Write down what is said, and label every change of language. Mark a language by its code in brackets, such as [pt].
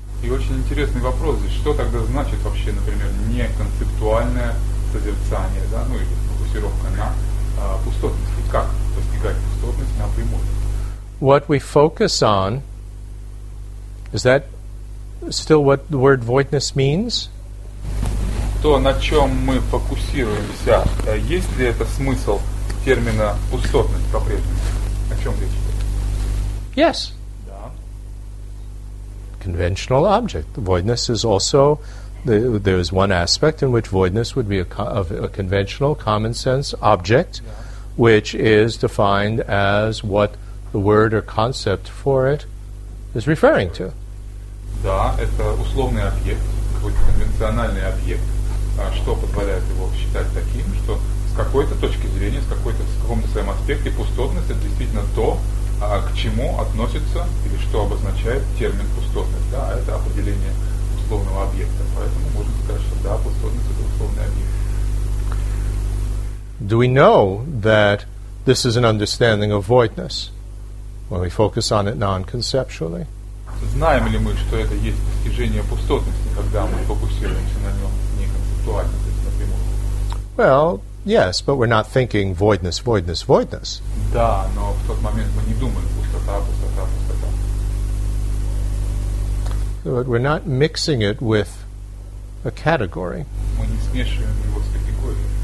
[ru] И очень интересный вопрос здесь. Что тогда значит вообще, например, неконцептуальное созерцание, да, ну или фокусировка на пустотности? Как достигать пустотности напрямую? [en] What we focus on Is that still what the word voidness means? [ru] То, на чем мы фокусируемся, есть ли это смысл термина пустотность по-прежнему? О чем речь? [en] Yes. [ru] Да. [en] Conventional object. Voidness is also there is one aspect in which voidness would be a conventional common sense object, which is defined as what the word or concept for it is referring to. [ru] Да, это условный объект, какой-то конвенциональный объект, что позволяет его считать таким, что с какой-то точки зрения, с какой-то в каком-то своем аспекте пустотность это действительно то, к чему относится или что обозначает термин пустотность. Да, это определение условного объекта. Поэтому можно сказать, что да, пустотность это условный объект. [en] Do we know that this is an understanding of voidness when we focus on it non-conceptually? [ru] Знаем ли мы, что это есть достижение пустотности, когда мы фокусируемся на нем не концептуально, то есть напрямую? [en] Well, yes, but we're not thinking voidness, voidness, voidness. [ru] Да, но в тот момент мы не думаем пустота, пустота, пустота. [en] But we're not mixing it with a category. [ru] Мы не смешиваем его с категорией.